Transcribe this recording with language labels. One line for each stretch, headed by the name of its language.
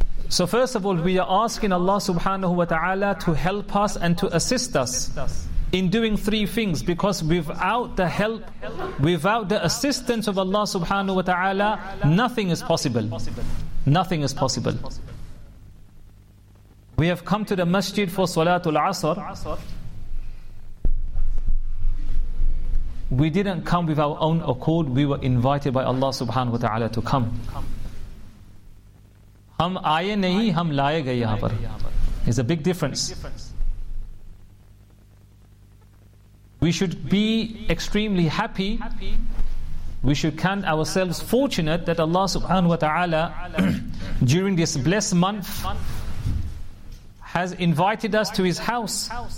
English: So first of all, we are asking Allah subhanahu wa ta'ala to help us and to assist us in doing three things, because without the help, without the assistance of Allah subhanahu wa ta'ala, nothing is possible. Nothing is possible. We have come to the masjid for Salatul Asr. We didn't come with our own accord. We were invited by Allah subhanahu wa ta'ala to come.
Urdu: ہم آئے نہیں، ہم لائے گئے یہاں پر۔
English: It's a big difference. We should be extremely happy. We should count ourselves fortunate that Allah subhanahu wa ta'ala during this blessed month has invited us to His house.